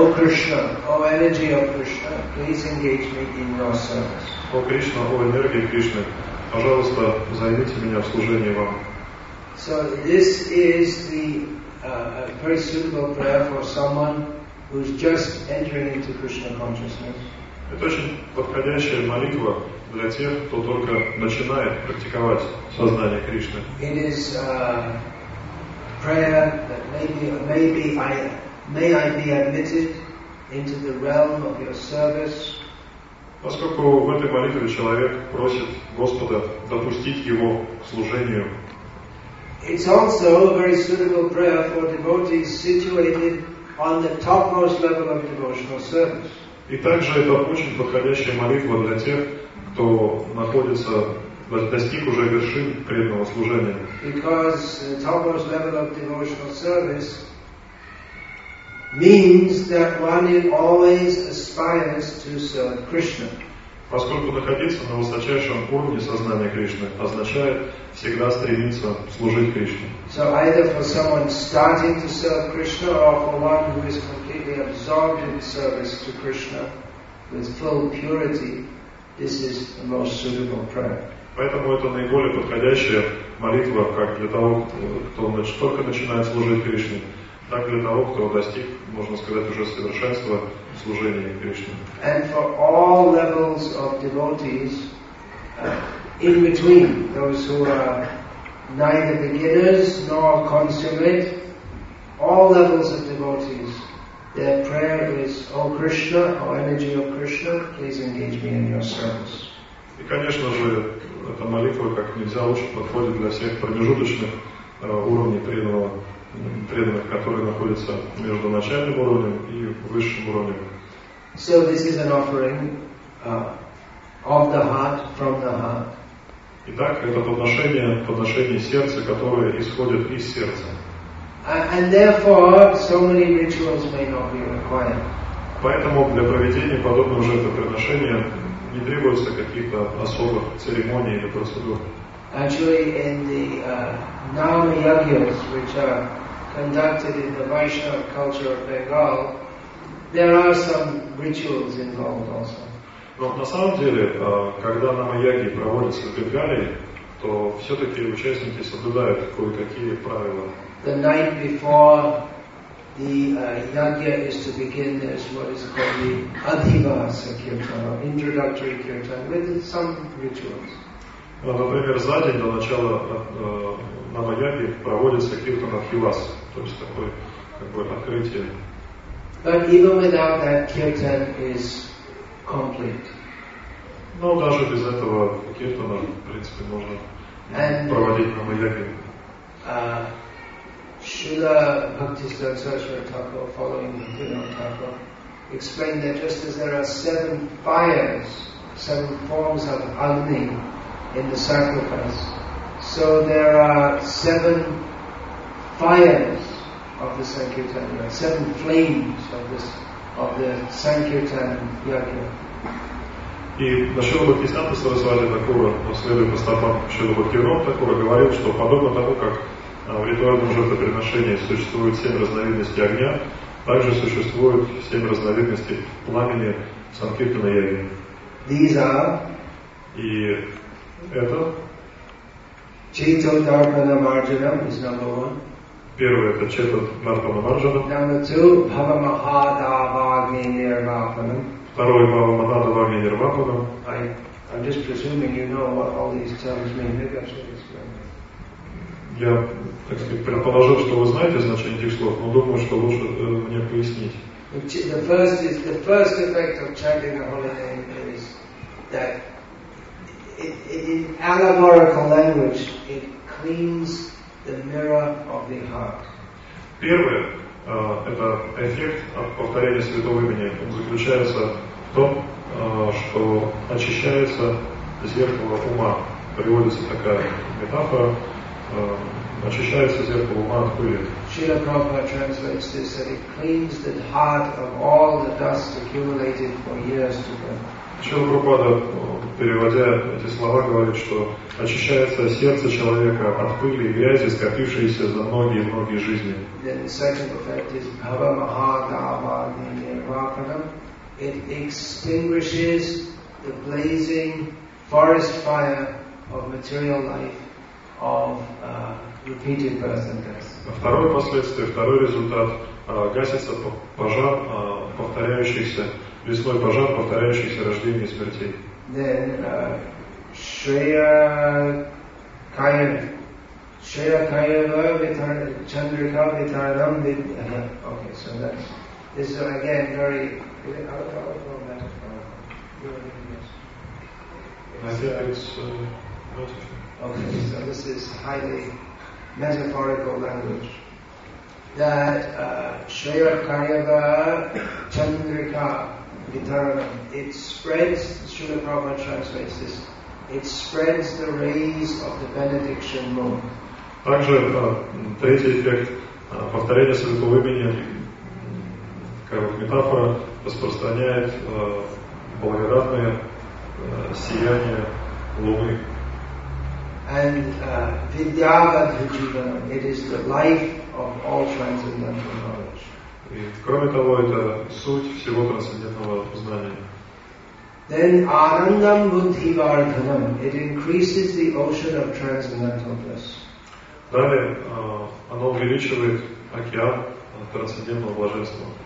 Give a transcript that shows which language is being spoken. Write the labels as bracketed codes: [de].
[en] O Krishna, O energy of Krishna, please engage me in your service. O Krishna, O energy Krishna, [ru] пожалуйста, займите меня в служении вам. [en] So this is the very suitable prayer for someone who is just entering into Krishna consciousness. [ru] Это очень подходящая молитва для тех, кто только начинает практиковать сознание Кришны. [en] It is prayer that may I be admitted into the realm of your service. [ru] Поскольку в этой молитве человек просит Господа допустить его к служению. [en] It's also a very suitable prayer for devotees situated on the topmost level of devotional service. [ru] И также это очень подходящая молитва для тех, кто находится, достиг уже вершин преданного служения. [en] Because the topmost level of devotional service means that one always aspires to serve Krishna. [ru] Поскольку находиться на высочайшем уровне сознания Кришны означает всегда стремиться служить Кришне. [en] So either for someone starting to serve Krishna or for one who is completely absorbed in service to Krishna with full purity, this is the most suitable prayer. [ru] Поэтому это наиболее подходящая молитва как для того, кто только начинает служить Кришне, так для того, кто достиг, можно сказать, уже совершенства служения Кришне. [en] And for all levels of devotees, in between, those who are neither beginners nor consummate, all levels of devotees, their prayer is, O Krishna, O energy of Krishna, please engage me in your service. [ru] И, конечно же, эта молитва как нельзя лучше подходит для всех промежуточных уровней преданного. Преданных, которые находятся между начальным уровнем и высшим уровнем. [en] So this is an offering of the heart, from the heart. [ru] Итак, это подношение сердца, которое исходит из сердца. [en] And therefore, so many rituals may not be required. [ru] Поэтому для проведения подобного жертвоприношения не требуется каких-то особых церемоний или процедур. [en] Actually, in the Nama Yagyas, which are conducted in the Vaishnava culture of Bengal, there are some rituals involved also. [ru] Но на самом деле, когда Нама Яги проводятся в Бенгале, то все-таки участники соблюдают кое-какие правила. [en] The night before the Yagya is to begin, there's what is called the Adhivasa Kirtan, or introductory Kirtan, with some rituals. [ru] Например, за день до начала Намаяги проводится Киртан Адхивас, то есть такое как бы открытие. [en] But even without that, Kirtan is complete. [ru] Но даже без этого Киртана, в принципе, можно проводить Намаяги. [en] Srila Bhaktisiddhanta Saraswati Thakur, following Vinod Thakur, explained that just as there are seven fires, seven forms of Agni in the sacrifice, so there are seven fires of the Sankirtan, seven flames of this, of the Sankirtan Yajna. [ru] И Шрила Бхактисиддханта Сарасвати Такура, последуя по стопам Шрила Бхактивинода Такура, говорил, что подобно тому, как в ритуальном жертвоприношении существует семь разновидностей огня, также существует семь разновидностей пламени Санкиртана Яги. [en] These are... [ru] И это... [en] Чито Дарпана Марджанам is number one. [ru] Первое, это Чито Дарпана Марджанам. [en] Number two, Бхава Махада Вагни Нирвапанам. [ru] Второй Бхава Махада Вагни Нирвапанам. [en] I'm just presuming you know what all these terms mean. Maybe I should explain. [ru] Я, так сказать, предположил, что вы знаете значение этих слов, но думаю, что лучше мне пояснить. [en] The first is the first effect of chanting the holy name is that in allegorical language it cleans the mirror of the heart. [ru] Первое, это эффект от повторения святого имени. Он заключается в том, что очищается зеркало ума. Приводится такая метафора. Очищается зеркало ума от пыли. [en] Шрила Прабхупада translates this that it cleans the heart of all the dust accumulated for years to come. [ru] Шрила Прабхупада, переводя эти слова, говорит, что очищается сердце человека от пыли и грязи, скопившиеся за многие-многие жизни. [en] Then the second effect is Bhava Mahadava Nirvapanam. It extinguishes the blazing forest fire of material life of repeated birth and death. [ru] Второе последствие, второй результат, гасится пожар повторяющихся, лесной пожар повторяющихся рождений и смертей. [en] Then Shreya Kayava Chandrika Vitaram Okay, so that's this is again very Okay, so this is highly metaphorical language. That Shreya Kayava Chandrika Vitaranam, it spreads, Srila Prabhupada translates this, it spreads the rays of the benediction moon. [ru] Также третий эффект повторения святого имени, как бы метафора, распространяет благодатное сияние луны. [en] And vidyavadhi jivanam, it is the life of all transcendental knowledge. [ru] И кроме того, это суть всего трансцендентного знания. [en] Then anandam buddhi vardhanam, it increases the ocean of transcendental bliss. [ru] Далее, оно увеличивает океан трансцендентного блаженства.